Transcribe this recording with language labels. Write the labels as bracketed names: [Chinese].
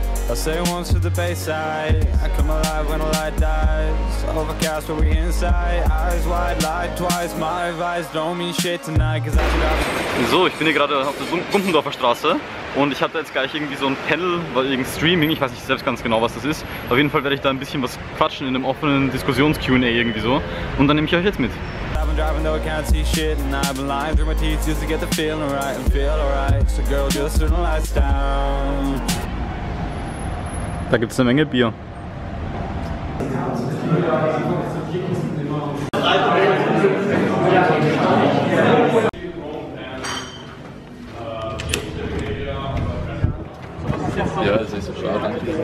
[English] I say once to the Bayside, I come alive when a light dies. Overcast where we inside, eyes wide, light twice, my eyes don't mean shit tonight, cause I forgot. [German] So, ich bin hier gerade auf der Gumpendorfer Straße und ich hatte jetzt gleich irgendwie so ein Panel, weil irgendein Streaming, ich weiß nicht selbst ganz genau, was das ist. Auf jeden Fall werde ich da ein bisschen was quatschen in einem offenen Diskussions-Q&A irgendwie so. Und dann nehme ich euch jetzt mit. [English] Driving though I can't see shit and I've been lying through my teeth just to get the feeling right and feel alright. So girl, just turn the lights down. [German] Da gibt es eine Menge Bier. Ja, das ist so schade.